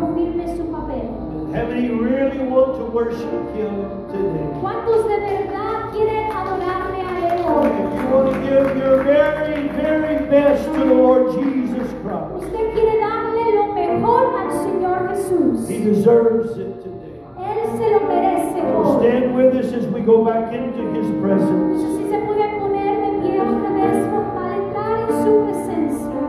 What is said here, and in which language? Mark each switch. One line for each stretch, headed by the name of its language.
English: how many really want to worship Him today?
Spanish: ¿Cuántos de verdad quieren adorarle a Él hoy?
English: If you want to give your very, very best to the Lord Jesus Christ.
Spanish: Usted quiere darle lo mejor al Señor Jesús.
English: He deserves it today.
Spanish: Él se lo merece hoy.
English: So stand with us as we go back into His presence.
Spanish: Si se puede poner de pie otra vez para entrar en su presencia.